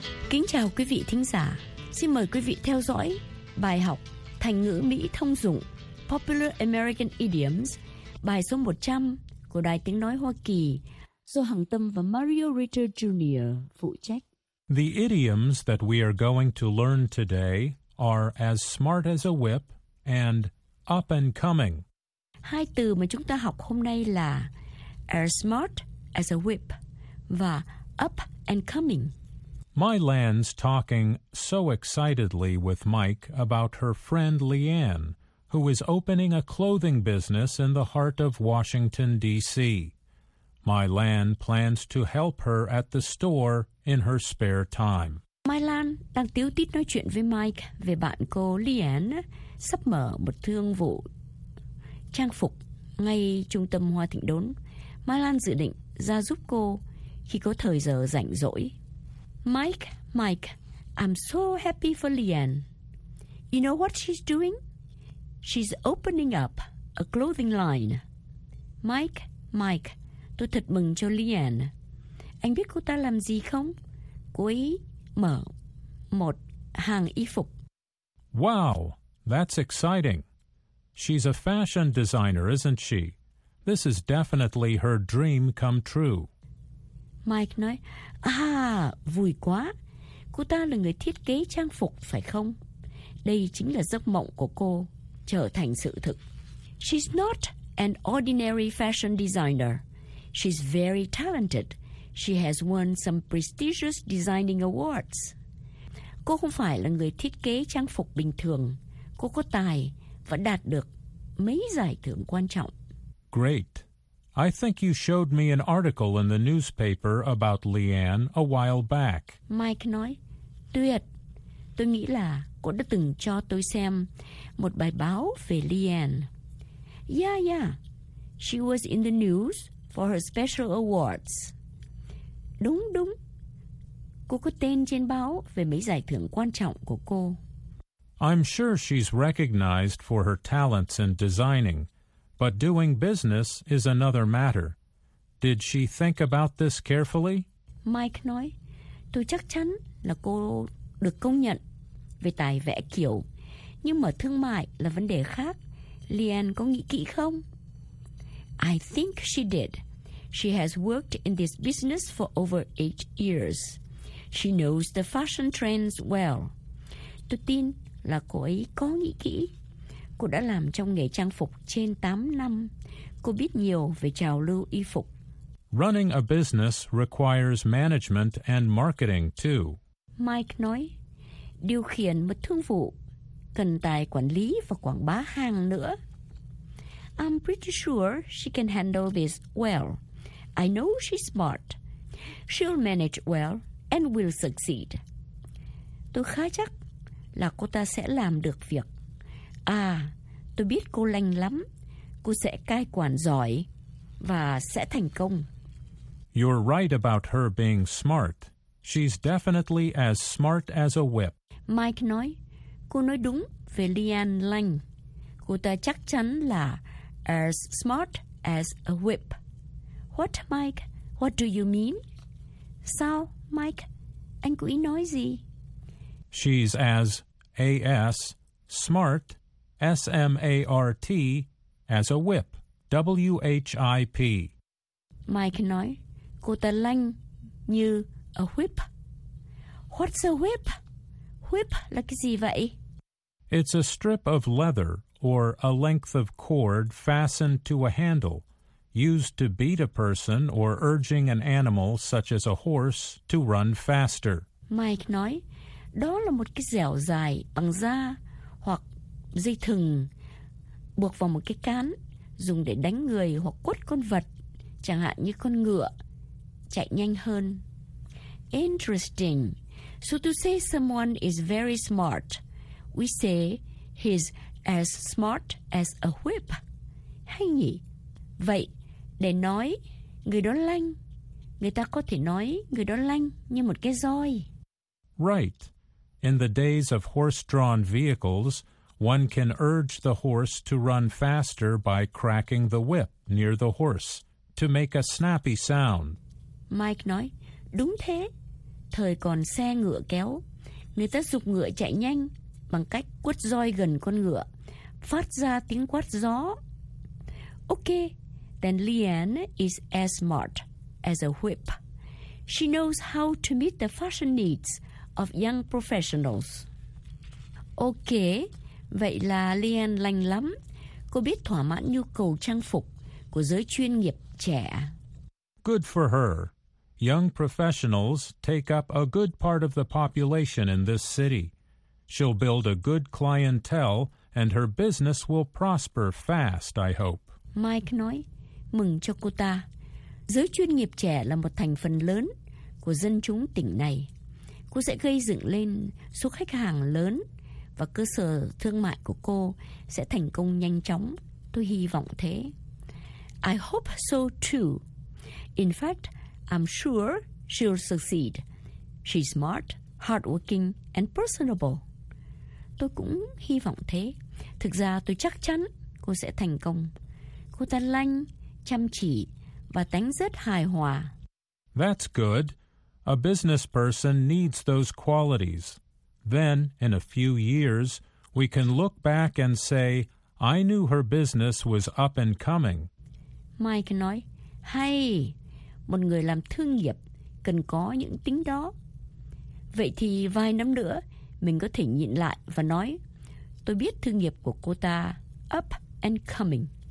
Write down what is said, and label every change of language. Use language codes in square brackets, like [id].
[vi] Kính chào quý vị thính giả. Xin mời quý vị theo dõi bài học Thành ngữ Mỹ thông dụng [en] Popular American Idioms, [vi] bài số 100 của Đài Tiếng Nói Hoa Kỳ, do Hằng Tâm và Mario Ritter Jr. phụ trách. [en] The idioms that we are going to learn today are as smart as a whip and up and coming. [vi] Hai từ mà chúng ta học hôm nay là [en] as smart as a whip [vi] và [en] up and coming. My Lan's talking so excitedly with Mike about her friend Leanne, who is opening a clothing business in the heart of Washington, D.C. My Lan plans to help her at the store in her spare time. [vi] My Lan đang tíu tít nói chuyện với Mike về bạn cô Leanne sắp mở một thương vụ trang phục ngay trung tâm Hoa Thịnh Đốn. My Lan dự định ra giúp cô khi có thời giờ rảnh rỗi. [en] Mike, I'm so happy for Leanne. You know what she's doing? She's opening up a clothing line. [vi] Mike, tôi thật mừng cho Leanne. Anh biết cô ta làm gì không? Cô ấy mở một hàng y phục. [en] Wow, that's exciting. She's a fashion designer, isn't she? This is definitely her dream come true. [vi] Mike nói, vui quá. Cô ta là người thiết kế trang phục, phải không? Đây chính là giấc mộng của cô, trở thành sự thực. [en] She's not an ordinary fashion designer. She's very talented. She has won some prestigious designing awards. [vi] Cô không phải là người thiết kế trang phục bình thường. Cô có tài và đạt được mấy giải thưởng quan trọng. [en] Great. I think you showed me an article in the newspaper about Leanne a while back. [vi] Mike nói, tuyệt. Tôi nghĩ là cô đã từng cho tôi xem một bài báo về Leanne. [en] Yeah. She was in the news for her special awards. [vi] Đúng. Cô có tên trên báo về mấy giải thưởng quan trọng của cô. [en] I'm sure she's recognized for her talents in designing. But doing business is another matter. Did she think about this carefully? [vi] Mike nói, tôi chắc chắn là cô được công nhận về tài vẽ kiểu. Nhưng mà thương mại là vấn đề khác. Leanne có nghĩ kỹ không? [en] I think she did. She has worked in this business for over 8 years. She knows the fashion trends well. [vi] Tôi tin là cô ấy có nghĩ kỹ. Cô đã làm trong nghề trang phục trên 8 năm. Cô biết nhiều về trào lưu y phục. [en] Running a business requires management and marketing too. [vi] Mike nói, điều khiển một thương vụ cần tài quản lý và quảng bá hàng nữa. [en] I'm pretty sure she can handle this well. I know she's smart. She'll manage well and will succeed. [vi] Tôi khá chắc là cô ta sẽ làm được việc. À, tôi biết cô lành lắm. Cô sẽ cai quản giỏi và sẽ thành công. [en] You're right about her being smart. She's definitely as smart as a whip. [vi] Mike nói, cô nói đúng về Leanne Lang. Cô ta chắc chắn là [en] as smart as a whip. What, Mike? What do you mean? [vi] Sao, Mike? Anh có ý nói gì? [en] She's as A-S, smart, S-M-A-R-T, as a whip, W-H-I-P. [vi] Mike nói, cô ta lanh như [en] a whip. What's a whip? [vi] Whip là cái gì vậy? [en] It's a strip of leather or a length of cord fastened to a handle, used to beat a person or urging an animal such as a horse to run faster. [vi] Mike nói, đó là một cái dẻo dài bằng da hoặc dây thừng buộc vào một cái cán dùng để đánh người hoặc quất con vật, chẳng hạn như con ngựa, chạy nhanh hơn. [en] Interesting. So to say someone is very smart, we say he's as smart as a whip. [vi] Hay nhỉ? Vậy, để nói người đó lanh, người ta có thể nói người đó lanh như một cái roi. [en] Right. In the days of horse-drawn vehicles, one can urge the horse to run faster by cracking the whip near the horse to make a snappy sound. [vi] Mike nói, đúng thế. Thời còn xe ngựa kéo, người ta giục ngựa chạy nhanh bằng cách quất roi gần con ngựa, phát ra tiếng quát gió. [en] Okay, then Leanne is as smart as a whip. She knows how to meet the fashion needs of young professionals. [vi] Okay, vậy là Leanne lành lắm. Cô biết thỏa mãn nhu cầu trang phục của giới chuyên nghiệp trẻ. [en] Good for her. Young professionals take up a good part of the population in this city. She'll build a good clientele, and her business will prosper fast, I hope. [vi] Mike nói, mừng cho cô ta. Giới chuyên nghiệp trẻ là một thành phần lớn của dân chúng tỉnh này. Cô sẽ gây dựng lên số khách hàng lớn, và cơ sở thương mại của cô sẽ thành công nhanh chóng. Tôi hy vọng thế. [en] I hope so too. In fact, I'm sure she'll succeed. She's smart, hardworking, and personable. [vi] Tôi cũng hy vọng thế. Thực ra tôi chắc chắn cô sẽ thành công. Cô ta lanh, chăm chỉ và tánh rất hài hòa. [en] That's good. A business person needs those qualities. Then, in a few years, we can look back and say, I knew her business was up and coming. [vi] Mike nói, hay. Một người làm thương nghiệp cần có những tính đó. Vậy thì vài năm nữa, mình có thể nhìn lại và nói, tôi biết thương nghiệp của cô ta [en] up and coming.